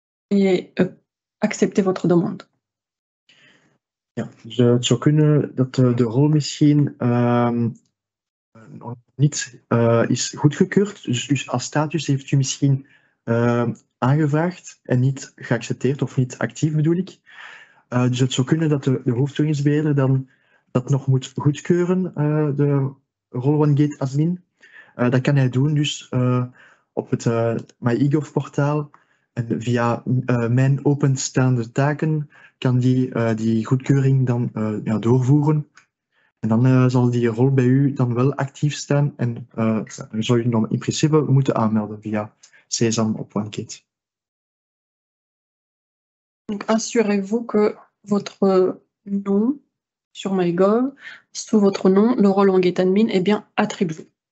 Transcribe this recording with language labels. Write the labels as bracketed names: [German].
[French] Et accepter votre demande. [Dutch] Ja, dus het zou kunnen dat de rol misschien nog niet is goedgekeurd. Dus als status heeft u misschien aangevraagd en niet geaccepteerd of niet actief, bedoel ik. Dus het zou kunnen dat de hoofdtoegangsbeheerder dan dat nog moet goedkeuren, de Rollone Gate admin. Dat kan hij doen dus op het MyEGOV-portaal. En via mijn openstaande taken kan hij die goedkeuring dan doorvoeren. En dan zal die rol bij u dan wel actief staan en zou je dan in principe moeten aanmelden via Sesam op OneKit. [French] Donc, assurez-vous que votre nom sur MyGov, sous votre nom, le rôle en Gate Admin est bien attribué.